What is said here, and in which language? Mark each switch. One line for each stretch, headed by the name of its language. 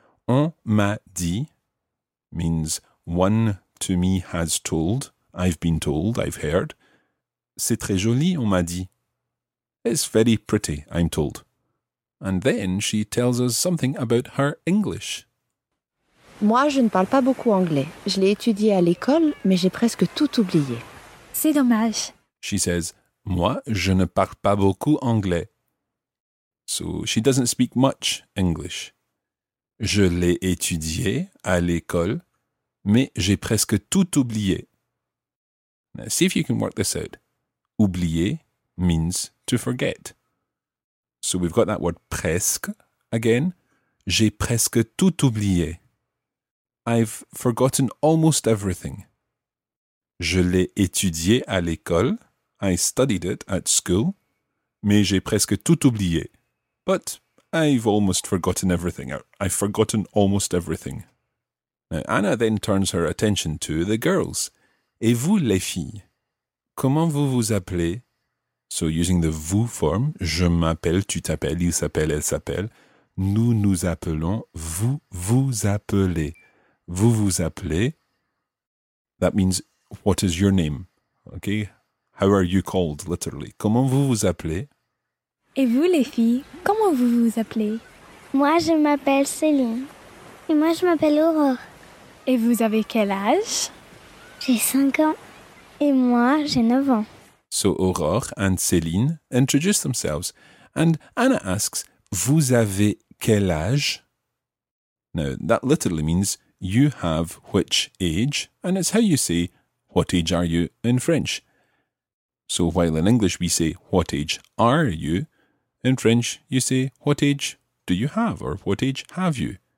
English: On m'a dit means one to me has told. I've been told. I've heard.
French: C'est très joli. On m'a dit.
English: It's very pretty. I'm told. And then she tells us something about her English.
French: Moi, je ne parle pas beaucoup anglais. Je l'ai étudié à l'école, mais j'ai presque tout oublié. C'est dommage.
English: She says,
French: moi, je ne parle pas beaucoup anglais.
English: So, she doesn't speak much English.
French: Je l'ai étudié à l'école, mais j'ai presque tout oublié.
English: Now, see if you can work this out. Oublier means to forget. So, we've got that word presque again.
French: J'ai presque tout oublié.
English: I've forgotten almost everything.
French: Je l'ai étudié à l'école.
English: I studied it at school.
French: Mais j'ai presque tout oublié.
English: But I've almost forgotten everything. I've forgotten almost everything. Now, Anna then turns her attention to the girls.
French: Et vous, les filles? Comment vous vous appelez?
English: So using the vous form,
French: je m'appelle, tu t'appelles, il s'appelle, elle s'appelle, nous nous appelons, vous vous appelez, vous vous appelez.
English: That means, what is your name? Okay, how are you called, literally?
French: Comment vous vous appelez? Et vous, les filles, comment vous vous appelez? Moi, je m'appelle Céline. Et moi, je m'appelle Aurore. Et vous avez quel âge? J'ai 5 ans. Et moi, j'ai 9 ans.
English: So Aurore and Céline introduce themselves. And Anna asks,
French: vous avez quel âge?
English: Now, that literally means, you have which age? And it's how you say, what age are you in French? So while in English we say, what age are you? In French, you say, what age do you have? Or what age have you?